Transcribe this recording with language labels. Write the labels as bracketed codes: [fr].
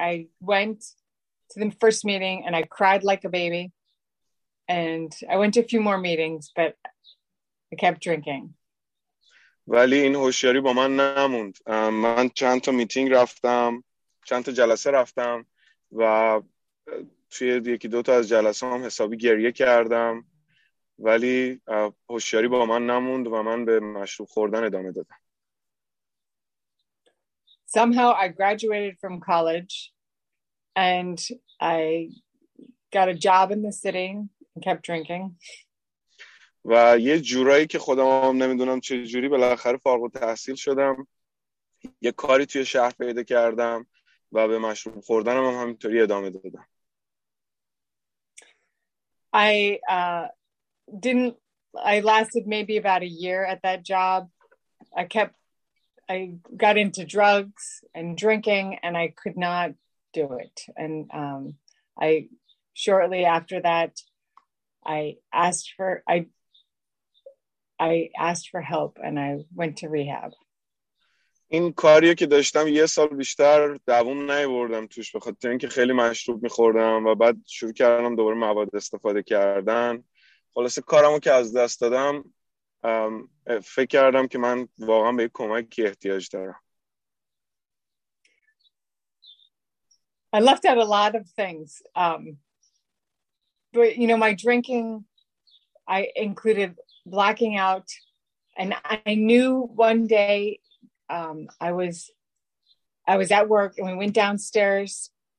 [en] I went to the first meeting and I cried like a baby. And I went to a few more meetings, but I kept drinking. [fa] ولی این هوشیاری با من نموند. من چند تا میتینگ رفتم، چند تا جلسه رفتم و توی یکی دو تا از جلسه هم حسابی گریه کردم. ولی هوشیاری با من نموند و من به مشروب خوردن ادامه دادم. [en] Somehow I graduated from college and I got a job in the city and kept drinking. [fa] و یه جورایی که خودم هم نمیدونم چه جوری بالاخره فارغ التحصیل شدم یه کاری توی شهر پیدا کردم و به مشروب خوردنم هم همینطوری ادامه دادم. [en] I lasted maybe about a year at that job. I got into drugs and drinking and I could not do it. And I shortly after that I asked for help and I went to rehab. [fa] این کاری که داشتم یه سال بیشتر دووم نیاوردم توش به خاطر اینکه خیلی مشروب می‌خوردم و بعد شروع کردم دوباره مواد استفاده کردن. خلاصه کارمو که از دست دادم فکر کردم که من واقعا به کمک احتیاج دارم. [en] I left out a lot of things. But you know my drinking I included blacking out and I knew one day I was at work and we went downstairs